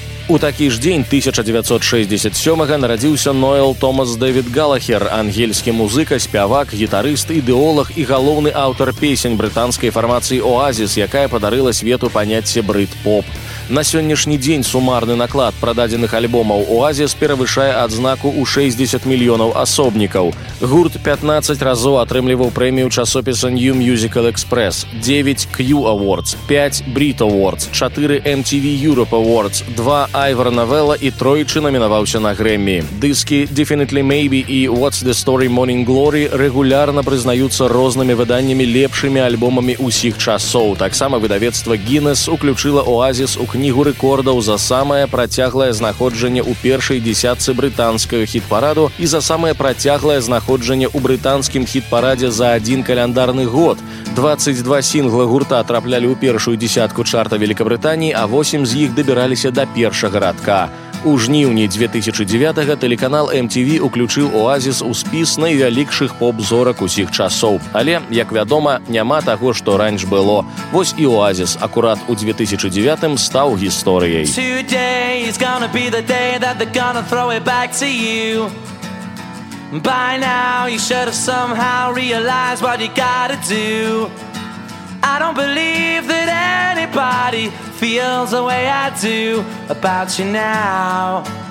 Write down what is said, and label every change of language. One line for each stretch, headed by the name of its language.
Belarusian: У такі ж дзень 1967-го нарадзіўся Ноэл Томас Дэвід Галахер, ангельскі музыка, спявак, гітарыст, ідэолаг і галоўны аўтар песень брытанскай фармацыі «Оазіс», якая падарыла свету паняцце «брыт-поп». На сённяшні дзень сумарны наклад прададзеных альбомаў «Оазіс» перавышае адзнаку ў 60 мільёнаў асобнікаў. Гурт 15 разоў атрымліваў прэмію часопіса New Musical Express, 9 Q Awards, 5 Brit Awards, 4 MTV Europe Awards, 2 Ivor Novello і тройчы намінаваўся на Грэмі. Дыскі Definitely Maybe і What's the Story Morning Glory рэгулярна прызнаюцца рознымі выданнямі лепшымі альбомамі ўсіх часоў. Таксама выдавецтва Guinness уключыла «Оазіс» у кнігу рэкордаў за самае працяглае знаходжанне ў першай дзясятцы брытанскага хіт-параду і за самае працяглае знаходжанне ў брытанскім хіт-парадзе за адзін каляндарны год. 22 сінгла гурта траплялі ў першую дзясятку чарта Вялікабрытаніі, а 8 з іх дабіраліся да першага радка. У жніўні 2009-го тэлеканал MTV уключыў «Оазіс» у спіс найвялікшых поп-зорак усіх часоў. Але, як вядома, няма таго, што раніш было. Вось і «Оазіс» акурат у 2009-м стаў гісторыяй.
English: Today is gonna be the day that they're gonna throw it back to you. By now you should have somehow realized what you gotta do. I don't believe that anybody feels the way I do about you now.